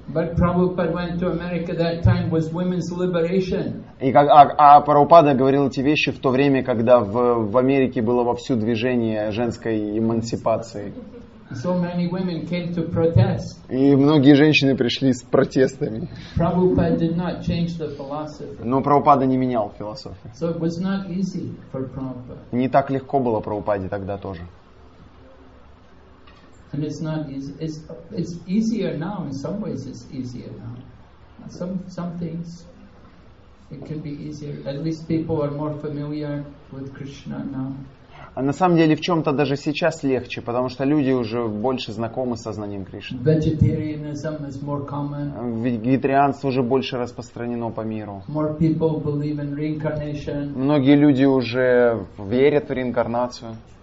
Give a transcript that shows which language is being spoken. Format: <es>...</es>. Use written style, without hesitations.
<en>But Prabhupada went to America that time was women's liberation.</en> <ru>Прабхупада говорил эти вещи в то время, когда в Америке было вовсю движение женской эмансипации.</ru> <en>So many women came to protest.</en> <ru>И многие женщины пришли с протестами.</ru> <en>Prabhupada did not change the philosophy.</en> <ru>Но Прабхупада не менял философию.</ru> <en>So it was not easy for Prabhupada.</en> <ru>Не так легко было Прабхупаде тогда тоже.</ru> <en>And it's not easy. It's easier now. In some ways, it's easier now. Some things it can be easier. At least people are more familiar with Krishna now.</en> <ru>А на самом деле в чем-то даже сейчас легче, потому что люди уже больше знакомы с сознанием Кришны.</ru> <en>Vegetarianism is more common.</en> <ru>Вегетарианство уже больше распространено по миру.</ru> <en>More people believe in reincarnation.</en> <ru>Многие люди уже верят в реинкарнацию.</ru>